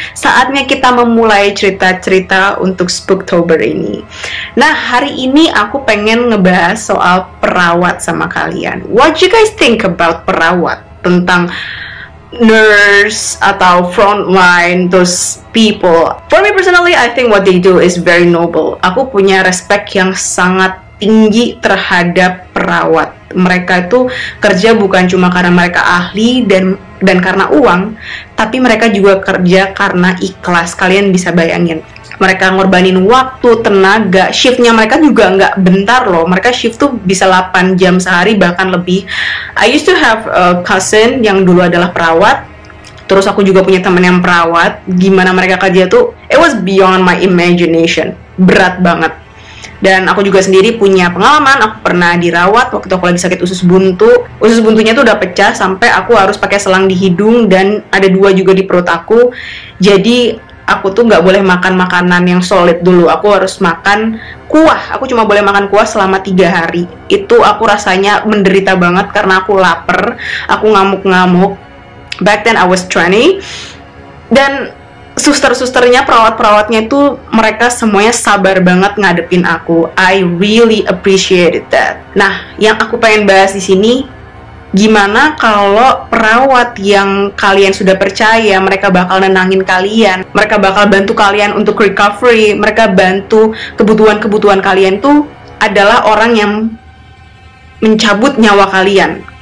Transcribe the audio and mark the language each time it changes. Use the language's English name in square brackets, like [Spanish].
[Indonesian] Saatnya kita memulai cerita-cerita untuk Spooktober ini. Nah, hari ini aku pengen ngebahas soal perawat sama kalian. [English] What you guys think about perawat? [Indonesian] Tentang [English] nurse [Indonesian] atau [English] frontline those people. For me personally, I think what they do is very noble. [Indonesian] Aku punya respect yang sangat tinggi terhadap perawat. Mereka itu kerja bukan cuma karena mereka ahli dan karena uang, tapi mereka juga kerja karena ikhlas. Kalian bisa bayangin, mereka ngorbanin waktu, tenaga, shiftnya mereka juga nggak bentar loh. Mereka shift tuh bisa 8 jam sehari, bahkan lebih. [English] I used to have a cousin [Indonesian] yang dulu adalah perawat. Terus aku juga punya teman yang perawat. Gimana mereka kerja tuh, [English] it was beyond my imagination. [Indonesian] Berat banget. Dan aku juga sendiri punya pengalaman. Aku pernah dirawat waktu aku lagi sakit usus buntu. Usus buntunya tuh udah pecah sampai aku harus pakai selang di hidung dan ada dua juga di perut aku. Jadi aku tuh gak boleh makan makanan yang solid dulu. Aku harus makan kuah. Aku cuma boleh makan kuah selama 3 hari. Itu aku rasanya menderita banget karena aku lapar. Aku ngamuk-ngamuk. [English] Back then I was 20. [Indonesian] Dan suster-susternya, perawat-perawatnya itu mereka semuanya sabar banget ngadepin aku. [English] I really appreciated that. [Indonesian] Nah, yang aku pengen bahas di sini, gimana kalau perawat yang kalian sudah percaya, mereka bakal nenangin kalian, mereka bakal bantu kalian untuk recovery, mereka bantu kebutuhan-kebutuhan kalian tuh adalah orang yang mencabut nyawa kalian.